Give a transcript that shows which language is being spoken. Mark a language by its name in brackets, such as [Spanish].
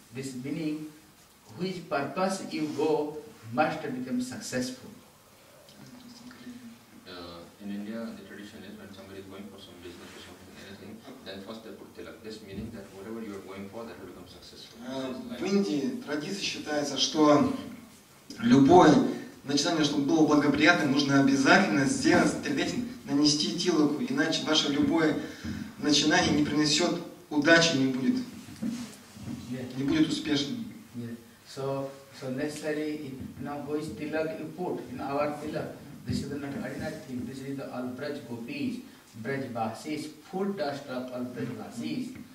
[English] This meaning, which purpose you go must become successful. In India, the tradition is when somebody is going for some business or something, anything, then first they put tilak. This meaning that whatever you are going for, that will become successful. [Russian] В Индии традиция считается, что любое начинание, чтобы было благоприятным, нужно обязательно сделать перед этим, нанести тилаку, иначе ваше любое начинание не принесет удачи, не будет. [English] Yeah. [Russian] Не будет успешным. [English] Yeah. So necessary, you know, who is tilak you put, you know, our tilak. This is not ordinary thing, this is the all braj gopis, braj basis, full dust of all braj basis.